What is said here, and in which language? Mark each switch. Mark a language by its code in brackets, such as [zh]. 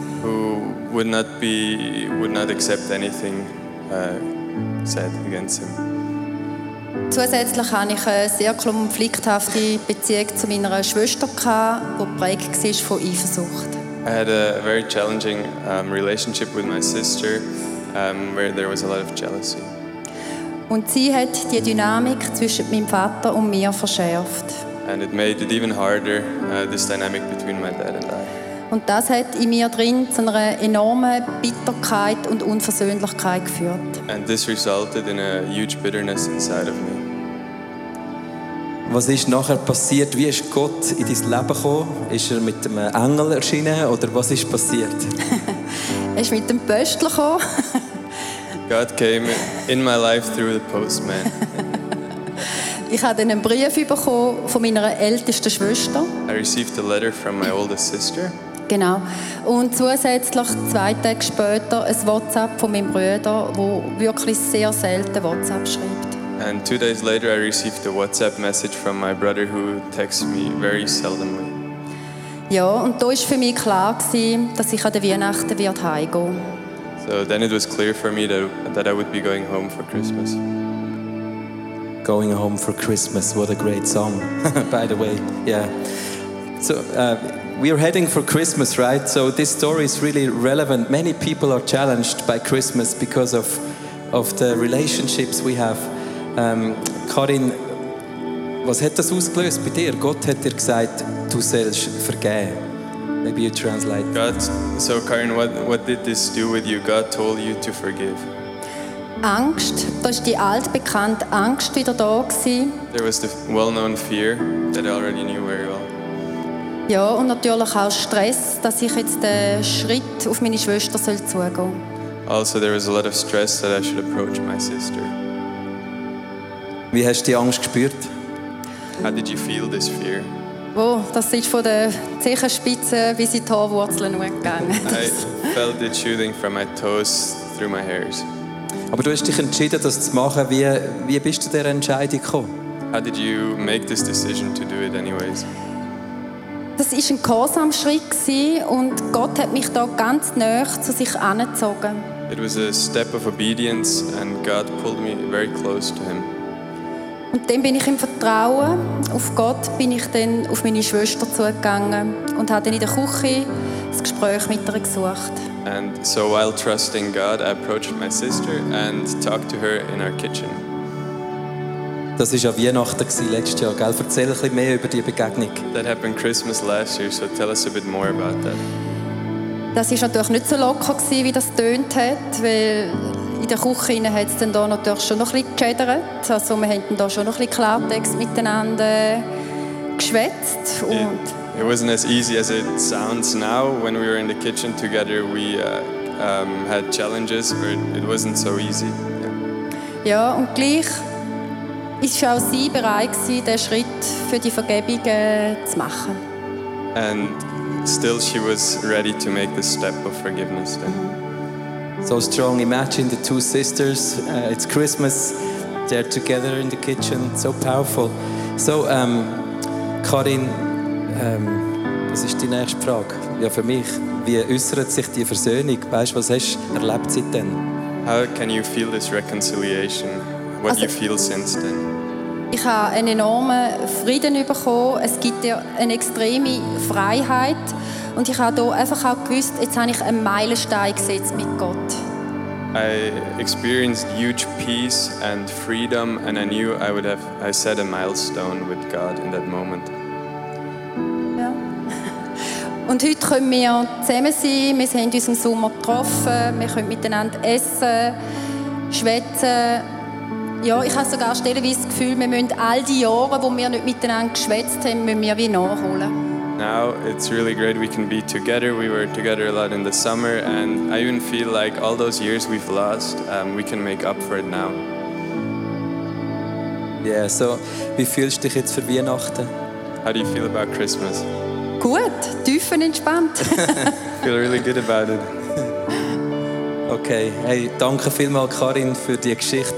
[en] Who would not accept anything said against him. [de] Zusätzlich hatte ich eine sehr konflikthafte Beziehung zu meiner Schwester, die geprägt war von Eifersucht. [en] I had a very challenging relationship with my sister, where there was a lot of jealousy. [de] Und sie hat die Dynamik zwischen meinem Vater und mir verschärft. [en] And it made it even harder, this dynamic between my dad and I. [de] Und das hat in mir drin zu einer enormen Bitterkeit und Unversöhnlichkeit geführt. [en] And this resulted in a huge bitterness inside of me. [de] Was ist nachher passiert? Wie ist Gott in dein Leben gekommen? Ist er mit einem Engel erschienen oder was ist passiert? Er ist mit dem Pöstler gekommen. [en] God came in my life through the postman. [de] Ich habe einen Brief bekommen von meiner ältesten Schwester. [en] I received a letter from my oldest sister. [de] Genau. Und zusätzlich 2 Tage später ein WhatsApp von meinem Bruder, wo wirklich sehr selten WhatsApp schreibt. [en] And 2 days later I received a WhatsApp message from my brother who texts me very seldomly. [de] Ja, und da ist für mich klar gewesen, dass ich an der Weihnachten wird heimgehen. [en] So then it was clear for me that I would be going home for Christmas. Going home for Christmas, what a great song, by the way, yeah. So we are heading for Christmas, right? So this story is really relevant. Many people are challenged by Christmas because of the relationships we have. [de] Karin, was hat das ausgelöst bei dir? Gott hat dir gesagt, du sollst vergeben. [en] Maybe you translate. God, so Karin, what did this do with you? God told you to forgive. [de] Angst, da ist die altbekannte Angst wieder da gewesen. [en] There was the well-known fear that I already knew very well. [de] Ja, und natürlich auch Stress, dass ich jetzt den Schritt auf meine Schwester soll zugehen. [en] Also, there was a lot of stress that I should approach my sister. [de] Wie hast du die Angst gespürt? [en] How did you feel this fear? [de] Oh, das ist von der Zehenspitze bis in die Haarwurzeln gegangen. [en] I felt it shooting from my toes through my hairs. [de] Aber du hast dich entschieden, das zu machen. Wie bist du dieser Entscheidung gekommen? [en] How did you make this decision to do it anyways? [de] Das war ein Gehorsamsschritt und Gott hat mich da ganz nahe zu sich angezogen. [en] It was a step of obedience and God pulled me very close to him. [de] Und dann bin ich im Vertrauen auf Gott, bin ich dann auf meine Schwester zugegangen und habe dann in der Küche das Gespräch mit ihr gesucht. [en] And so while trusting God, I approached my sister and talked to her in our kitchen. [de] Das ist ja Weihnachten gsi letztes Jahr, gell? Erzähl ein bisschen mehr über die Begegnung. [en] That happened Christmas last year, so tell us a bit more about that. [de] Das ist natürlich nicht so locker gewesen, wie das tönt hat, weil in der Küche hat es dann da natürlich schon noch ein bisschen geschädert. Also wir haben da schon noch ein bisschen Klartext miteinander geschwätzt und... [en] Yeah. It wasn't as easy as it sounds now. When we were in the kitchen together, we had challenges, but it wasn't so easy. [de] Ja, und gleich ist auch sie bereit gewesen, den Schritt für die Vergebung zu machen. [en] And still she was ready to make the step of forgiveness. So strong. Imagine the two sisters. It's Christmas. They're together in the kitchen. So powerful. So, Karin, [de] das ist die nächste Frage. Ja, für mich. Wie äußert sich die Versöhnung? Weißt du, was hast du erlebt seitdem? [en] How can you feel this reconciliation? What also, do you feel since then? [de] Ich habe einen enormen Frieden bekommen. Es gibt dir eine extreme Freiheit. Und ich habe hier einfach auch gewusst, jetzt habe ich einen Meilenstein gesetzt mit Gott. [en] I experienced huge peace and freedom and I knew I would have, I set a milestone with God in that moment. [de] Und heute können wir zusammen sein, wir haben uns im Sommer getroffen, wir können miteinander essen, schwätzen. Ja, ich habe sogar stellenweise das Gefühl, wir müssen all die Jahre, wo wir nicht miteinander geschwätzt haben, müssen wir wie nachholen. [en] Now it's really great we can be together. We were together a lot in the summer and I even feel like all those years we've lost, we can make up for it now. [de] Yeah, so wie fühlst du dich jetzt für Weihnachten? [en] How do you feel about Christmas? [de] Gut, tief und entspannt. [en] Feel really good about it. [de] Okay, hey, danke vielmals Karin für die Geschichte.